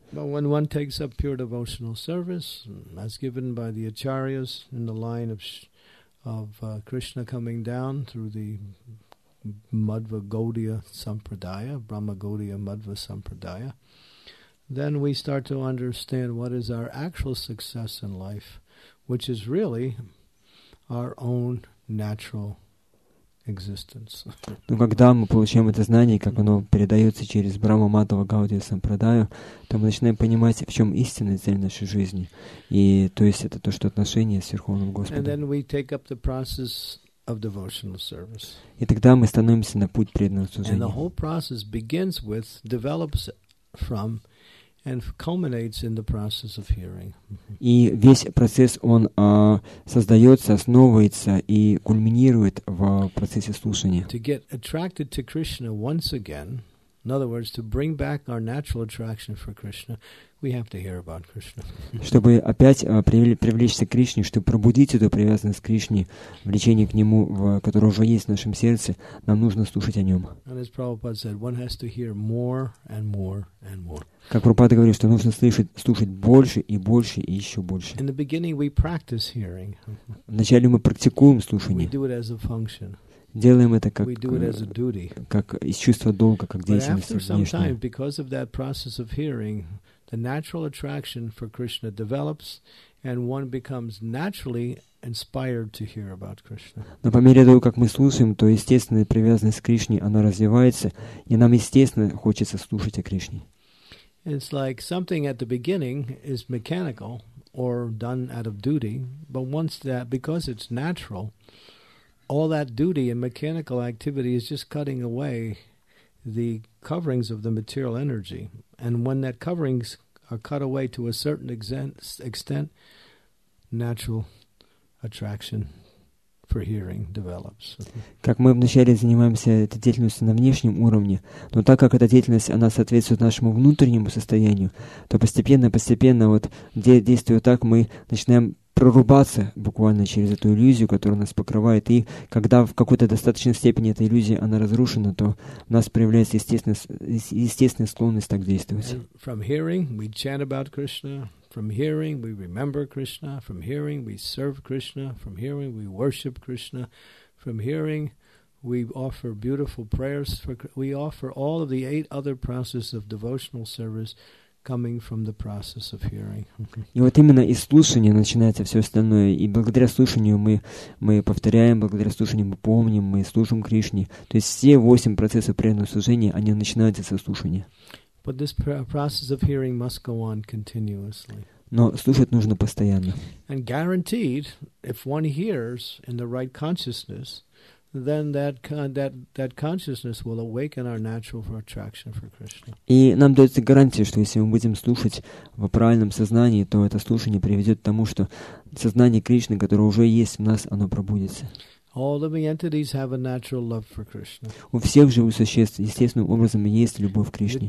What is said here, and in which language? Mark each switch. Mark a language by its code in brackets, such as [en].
[en] But when one takes up pure devotional service, as given by the acharyas in the line of Krishna coming down through the Madhva Gaudiya Sampradaya, Brahma Gaudiya Madhva Sampradaya, then we start to understand what is our actual success in life, which is really our own natural existence. [ru] Но когда мы получаем это знание, как оно передается через Брахма Матва Гаудия Сампрадаю, то мы начинаем понимать, в чем истинная цель нашей жизни. И то есть это то, что отношение с Верховным Господом. [en] And then we take up the process of devotional service. [ru] И тогда мы становимся на путь преданного служения. [en] And the whole process begins with, develops from, and culminates in the process of hearing. [ru] И весь процесс он создается, основывается и кульминирует в процессе слушания. [en] To get attracted to Krishna once again, in other words, to bring back our natural attraction for Krishna, we have to hear about Krishna. [ru] Чтобы опять привлечься к Кришне, чтобы пробудить эту привязанность к Кришне, влечение к Нему, которое уже есть в нашем сердце, нам нужно слушать о Нем. [en] And as Prabhupada said, one has to hear more and more and more. [ru] Как Прабхупада говорит, что нужно слушать больше и больше и еще больше. [en] In the beginning we practice hearing. [ru] Вначале мы практикуем слушание. [en] We do it as a function. [ru] Делаем это как из чувства долга, как деятельность внешняя. [en] But after some time, because of that process of hearing, the natural attraction for Krishna develops, and one becomes naturally inspired to hear about Krishna. [ru] Но по мере того, как мы слушаем, то естественная привязанность к Кришне, она развивается, и нам естественно хочется слушать о Кришне. [en] It's like something at the beginning is mechanical or done out of duty, but once that, because it's natural, all that duty and mechanical activity is just cutting away the coverings of the material energy. And when that coverings are cut away to a certain extent, natural attraction for hearing develops. [ru] Как мы вначале занимаемся этой деятельностью на внешнем уровне, но так как эта деятельность она соответствует нашему внутреннему состоянию, то постепенно вот действуя так, мы начинаем прорубаться буквально через эту иллюзию, которая нас покрывает, и когда в какой-то достаточной степени эта иллюзия, она разрушена, то у нас проявляется естественная склонность так действовать. [en] And from hearing, we chant about Krishna. From hearing, we remember Krishna. From hearing, we serve Krishna. From hearing, we worship Krishna. From hearing, we offer beautiful prayers. We offer all of the 8 other processes of devotional service coming from the process of hearing. [ru] И вот именно из слушания начинается все остальное. И благодаря слушанию мы повторяем, благодаря слушанию мы помним, мы служим Кришне. То есть все 8 процессов преданного служения, они начинаются со слушания. [en] But this process of hearing must go on continuously. [ru] Но слушать нужно постоянно. [en] And guaranteed, if one hears in the right consciousness, then that consciousness will awaken our natural attraction for Krishna. [ru] И нам дается гарантия, что если мы будем слушать в правильном сознании, то это слушание приведет к тому, что сознание Кришны, которое уже есть в нас, оно пробудится. [en] All living entities have a natural love for Krishna. [ru] У всех живых существ естественным образом есть любовь к Кришне.